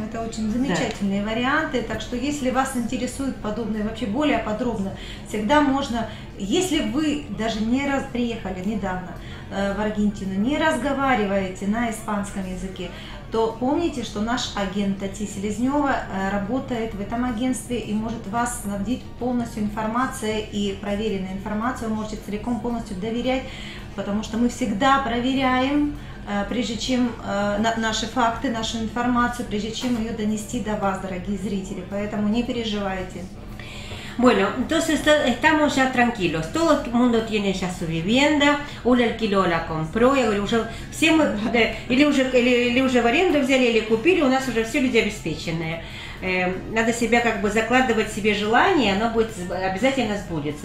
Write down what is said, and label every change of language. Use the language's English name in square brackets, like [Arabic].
[Russian] Это очень замечательные варианты. Так что если вас интересуют подобные, вообще более подробно, всегда можно, если вы даже не раз приехали недавно в Аргентину, не разговариваете на испанском языке, то помните, что наш агент Тати Селезнева работает в этом агентстве и может вас снабдить полностью информацией и проверенной информацией. Вы можете целиком полностью доверять, потому что мы всегда проверяем, прежде чем наши факты, нашу информацию, прежде чем ее донести до вас, дорогие зрители. Поэтому не переживайте. [Spanish] Bueno, entonces estamos ya tranquilos. Todo el mundo tiene ya su vivienda. Un alquiló, la compró. [Russian] Я говорю, уже все мы, да, или уже в аренду взяли, или купили. У нас уже все люди обеспеченные. Надо себя как бы закладывать себе желание, оно будет обязательно сбудется.